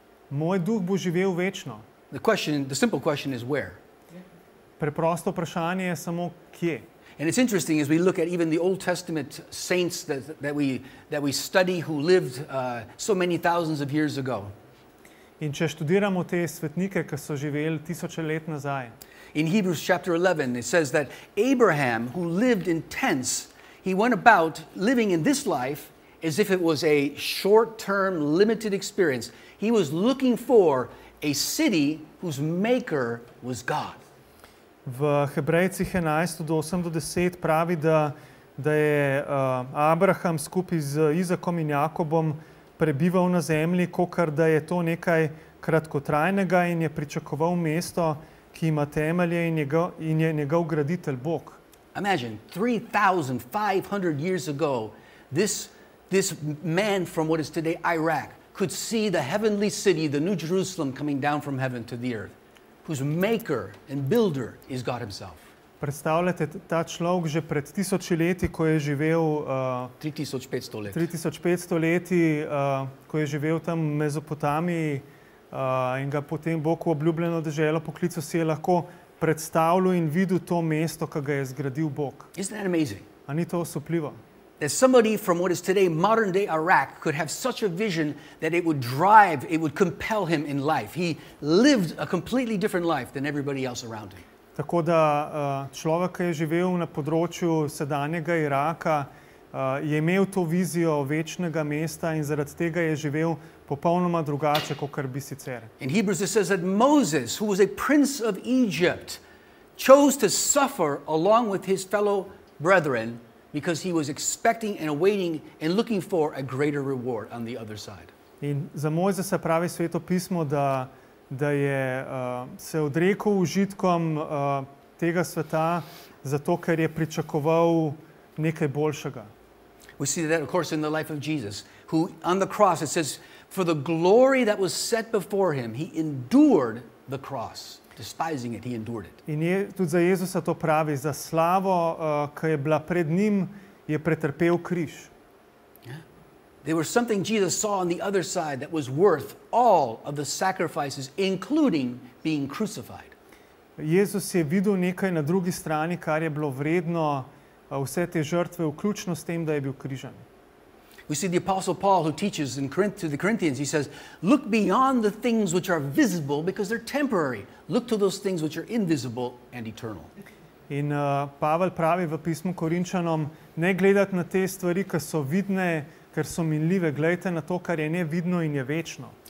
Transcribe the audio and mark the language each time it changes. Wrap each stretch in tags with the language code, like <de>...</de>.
<sl>Moj duh bo živel večno.</sl> <en>The simple question is where.</en> <sl>Preprosto vprašanje je samo kje.</sl> <en>And it's interesting as we look at even the Old Testament saints that we study who lived so many thousands of years ago.</en> <sl>In če študiramo te svetnike, ki so živeli tisoče let nazaj.</sl> <en>In Hebrews chapter 11 it says that Abraham who lived in tents, he went about living in this life as if it was a short-term limited experience. He was looking for a city whose maker was God.</en> <sl>V Hebrejcih 11 od 8 do 10 pravi, da je Abraham skupaj z Izakom in Jakobom prebival na zemlji, kakor da je to nekaj kratkotrajnega in je pričakoval mesto, ki ima temelje in je njegov graditelj Bog.</sl> <en>Imagine 3500 years ago this man from what is today Iraq could see the heavenly city, the new Jerusalem coming down from heaven to the earth. Whose maker and builder is God himself.</en> <sl>Predstavljate ta človek že pred tisoči leti, ko je živel 3500 let. 3500 leti, ko je živel tam v Mezopotamiji in ga potem Bog v obljubljeno deželo poklical, si je lahko predstavljal in videl to mesto, ki ga je zgradil Bog.</sl> <en>Isn't that amazing?</en> <sl>A ni to osupljivo?</sl> <en>That somebody from what is today modern day Iraq could have such a vision that it would compel him in life. He lived a completely different life than everybody else around him.</en> <sl>Tako da človek, ki je živel na področju sedanjega Iraka, je imel to vizijo večnega mesta in zaradi tega je živel popolnoma drugače, kakor bi sicer.</sl> <en>In Hebrews it says that Moses, who was a prince of Egypt, chose to suffer along with his fellow brethren because he was expecting and awaiting and looking for a greater reward on the other side.</en> <sl>In za Mojzesa pravi sveto pismo, da je se odrekel užitkom tega sveta, zato ker je pričakoval nekaj boljšega.</sl> <en>We see that, of course, in the life of Jesus. who on the cross, it says, for the glory that was set before him, he endured the cross. Despising it, he endured it.</en> <sl>In je, tudi za Jezusa to pravi, za slavo, ki je bila pred njim, je pretrpel križ.</sl> <en>There was something Jesus saw on the other side that was worth all of the sacrifices, including being crucified.</en> <sl>Jezus je videl nekaj na drugi strani, kar je bilo vredno vse te žrtve, vključno s tem, da je bil križan.</sl> <en>We see the Apostle Paul who teaches in to the Corinthians, he says, look beyond the things which are visible because they're temporary. Look to those things which are invisible and eternal.</en> <sl>In Pavel pravi v pismu Korinčanom, ne gledati na te stvari, ki so vidne, ker so minljive, gledajte na to, kar je nevidno in je večno.</sl>